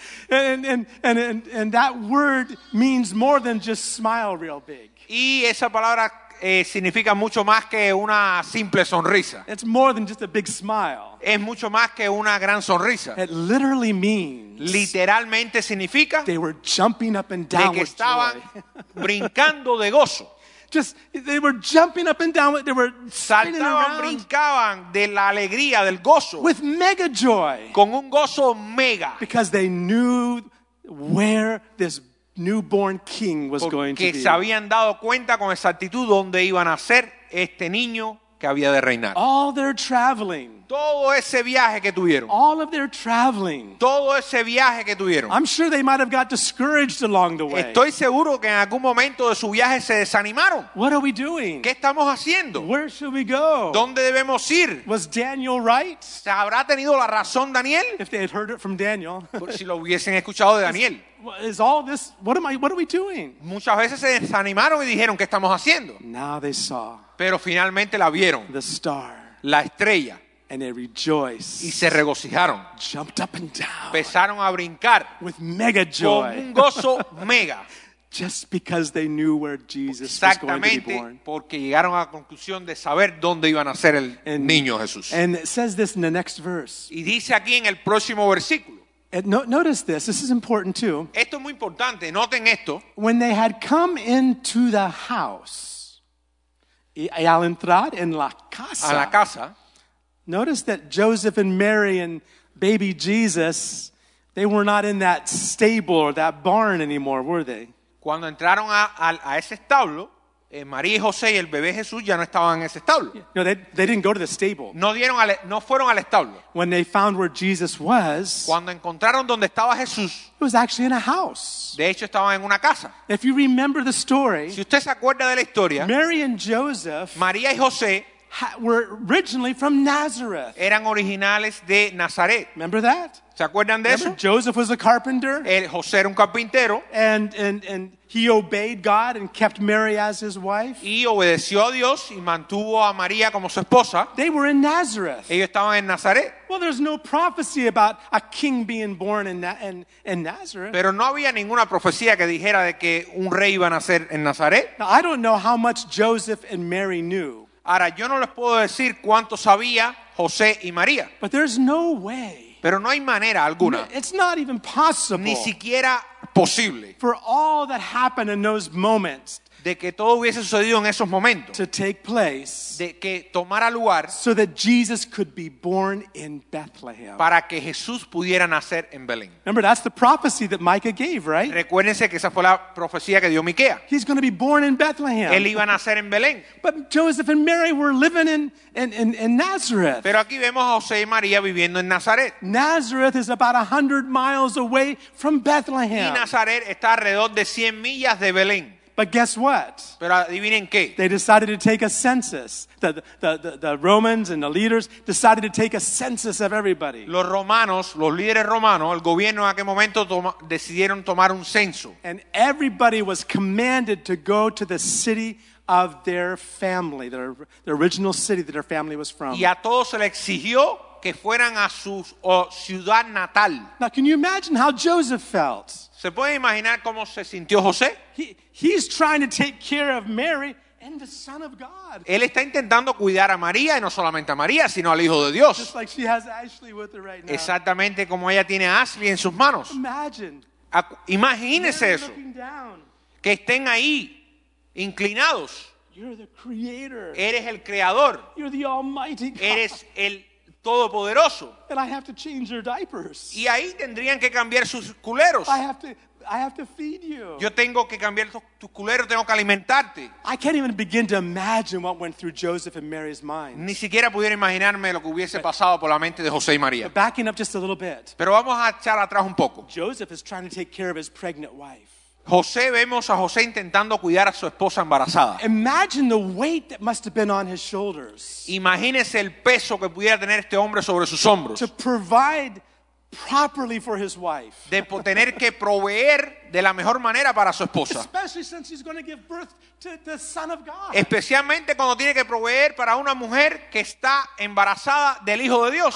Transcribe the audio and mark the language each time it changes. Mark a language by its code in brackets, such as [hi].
[en] and that word means more than just smile real big. [es] Y esa palabra significa mucho más que una simple sonrisa. [en] It's more than just a big smile. [es] Es mucho más que una gran sonrisa. [en] It literally means, [es] literalmente significa, [en] they were jumping up and down [es] de que estaban brincando de gozo. [en] Just, they were jumping up and down, they were spinning around, [es] brincaban de la alegría, del gozo, [en] with mega joy, [es] con un gozo mega, [en] because they knew where this newborn king was going to be. [es] Porque se habían dado cuenta con exactitud donde iban a ser este niño que había de reinar. [en] All their traveling, [es] todo ese viaje que tuvieron, [en] all of their traveling, [es] todo ese viaje que tuvieron, [en] I'm sure they might have got discouraged along the way. [es] Estoy seguro que en algún momento de su viaje se desanimaron. [en] What are we doing? [es] ¿Qué estamos haciendo? [en] Where should we go? [es] ¿Dónde debemos ir? [en] Was Daniel right? [es] ¿Se habrá tenido la razón Daniel? [en] If they had heard it from Daniel. [es] Si lo hubiesen escuchado de Daniel. [en] Is all this, what am I, what are we doing? [es] Muchas veces se desanimaron y dijeron, ¿qué estamos haciendo? [en] Now they saw. [es] Pero finalmente la vieron. [en] The star. [es] La estrella. [en] And they rejoiced. [es] Y se regocijaron. [en] Jumped up and down. [es] Empezaron a brincar. [en] With mega joy. [es] Con un gozo mega. [en] Just because they knew where Jesus was going to be born. [es] Exactamente, porque llegaron a la conclusión de saber dónde iba a nacer el niño Jesús. [en] And it says this in the next verse. [es] Y dice aquí en el próximo versículo. [en] Notice this. This is important too. [es] Esto es muy importante. Noten esto. [en] When they had come into the house, [es] y al entrar en la casa, a la casa, [en] notice that Joseph and Mary and baby Jesus, they were not in that stable or that barn anymore, were they? [es] Cuando entraron a ese establo, María y José y el bebé Jesús ya no estaban en ese establo. [en] No, they didn't go to the stable. [es] No fueron al establo. [en] When they found where Jesus was, [es] cuando encontraron donde estaba Jesús, [en] it was actually in a house. [es] De hecho, estaban en una casa. [en] If you remember the story, [es] si usted se acuerda de la historia, [en] Mary and Joseph, [es] María y José, [en] were originally from Nazareth. [es] Eran originales de Nazaret. [en] Remember that? [es] ¿Se acuerdan de [en] Remember? Joseph was a carpenter. [es] José era un carpintero. [en] And he obeyed God and kept Mary as his wife. [es] Y obedeció a Dios y mantuvo a María como su esposa. [en] They were in Nazareth. [es] Ellos estaban en Nazaret. [en] Well, there's no prophecy about a king being born in Nazareth. [es] Pero no había ninguna profecía que dijera de que un rey iba a nacer en Nazaret. [en] Now, I don't know how much Joseph and Mary knew. [es] Ahora, yo no les puedo decir cuánto sabía José y María. [en] But there's no way. [es] Pero no hay manera alguna. [en] It's not even possible. [es] Ni siquiera posible. [en] For all that happened in those moments. [es] De que todo hubiese sucedido en esos momentos. [en] To take place. [es] De que tomara lugar. [en] So that Jesus could be born in Bethlehem. [es] Para que Jesús pudiera nacer en Belén. [en] Remember, that's the prophecy that Micah gave, right? [es] Recuérdense que esa fue la profecía que dio Miquea. [en] He's going to be born in Bethlehem. [es] Él iba a nacer en Belén. [en] But Joseph and Mary were living in Nazareth. [es] Pero aquí vemos a José y María viviendo en Nazaret. [en] Nazareth is about 100 miles away from Bethlehem. [es] Y Nazaret está alrededor de 100 millas de Belén. [en] But guess what? [es] Pero adivinen qué. [en] They decided to take a census. The Romans and the leaders decided to take a census of everybody. [es] Los romanos, los líderes romanos, el gobierno en aquel momento decidieron tomar un censo. [en] And everybody was commanded to go to the city of their family, the original city that their family was from. [es] Y a todos se les exigió que fueran a su ciudad natal. [en] Now, can you imagine how Joseph felt? [es] ¿Se puede imaginar cómo se sintió José? [en] He's trying to take care of Mary and the Son of God. [es] Él está intentando cuidar a María, y no solamente a María, sino al Hijo de Dios. [en] Just like she has Ashley with her right now. [es] Exactamente como ella tiene a Ashley en sus manos. [en] Imagine. [es] Imagínese eso. Que estén ahí, inclinados. [en] You're the creator. [es] Eres el creador. [en] You're the almighty God. [es] Eres el todopoderoso. [en] And I have to change your diapers. [es] Y ahí tendrían que cambiar sus culeros. [en] I have to feed you. [es] Yo tengo que cambiar tus culeros, tengo que alimentarte. [en] I can't even begin to imagine what went through Joseph and Mary's minds. [es] Ni siquiera pudiera imaginarme lo que hubiese pasado por la mente de José y María. [en] But backing up just a little bit. [es] Pero vamos a echar atrás un poco. [en] Joseph is trying to take care of his pregnant wife. [es] José, vemos a José intentando cuidar a su esposa embarazada. [en] Imagine the weight that must have been on his shoulders. [es] Imagínese el peso que pudiera tener este hombre sobre sus hombros. [en] To provide properly for his wife. [es] De tener que proveer de la mejor manera para su esposa. [en] Especially since he's going to give birth to the Son of God. [es] Especialmente cuando tiene que proveer para una mujer que está embarazada del Hijo de Dios.